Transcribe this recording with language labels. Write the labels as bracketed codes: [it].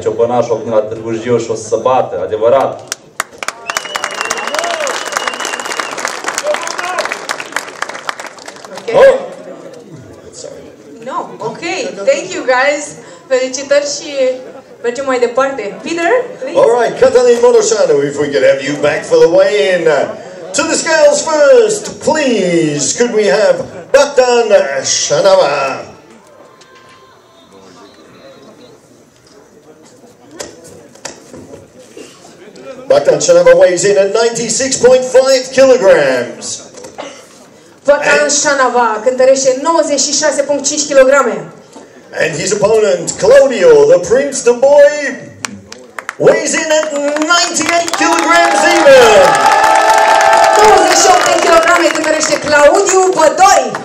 [ro] Ciobănașul a venit la Târgu Jiu și o să se bată, adevărat. Ok. [en] Ok, thank you guys. [ro] Felicitări și mergem mai departe. [en] Peter, please. All right, Cătălin Modoșanu, if we could have you back for the weigh-in. To the scales first, please. Could we have Bogdan Șanava? Bogdan Șanava weighs in at 96.5 kilograms. [ro] Bogdan Șanava cântărește 96.5 kilograme. [en] And his opponent, Claudio, the Prince, the boy, weighs in at 98 kilograms even. [ro] 98 kilograme cântărește Claudiu Bădoi.